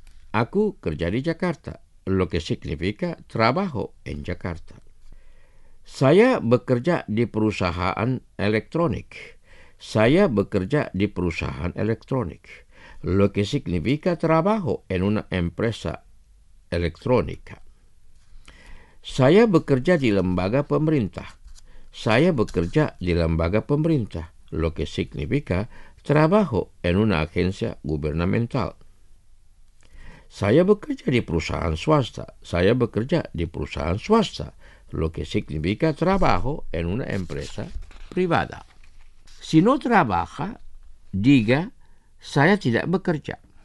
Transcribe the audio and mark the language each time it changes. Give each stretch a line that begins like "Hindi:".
Indonesian: Aku kerja di Jakarta,
Spanish: lo que significa trabajo en Jakarta.
Indonesian: Saya bekerja di perusahaan elektronik. Saya bekerja di perusahaan elektronik,
Spanish: lo que significa trabajo en una empresa electrónica.
Indonesian: Saya bekerja di lembaga pemerintah. Saya bekerja di lembaga pemerintah,
Spanish: lo que significa trabajo en una agencia gubernamental.
Indonesian: Saya bekerja di perusahaan swasta. Saya bekerja di perusahaan swasta,
Spanish: lo que significa trabajo en una empresa privada. Si no trabaja, diga,
Indonesian: saya tidak bekerja.